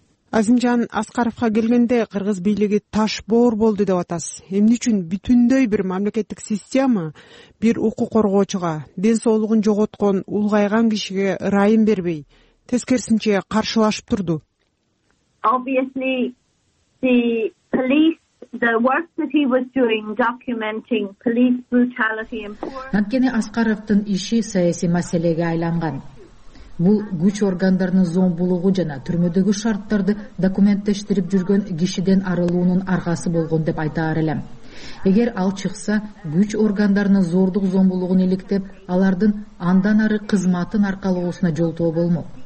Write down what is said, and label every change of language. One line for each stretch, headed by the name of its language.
Kyrgyz: Азимжан Аскаровго келгенде кыргыз бийлиги таш боор болду деп атасыз. Эмне үчүн бүтүндөй бир мамлекеттик система бир укук коргоочуга ден соолугун жоготкон улгайган кишиге ырайым бербей, тескерисинче каршылашып турду?
English: Obviously the police, the work that he was doing documenting police brutality and poor.
Kyrgyz: Анткени Аскаровдун иши саясий маселеге айланган. Бул күч органдарынын зомбулугу жана түрмөдөгү шарттарды документтештирип жүргөн кишиден арылуунун аргасы болгон деп айтаар элем. Эгер ал чыкса, күч органдарынын зордук зомбулугун иликтеп, алардын андан ары кызматын аркалоосуна жолтоо болмок.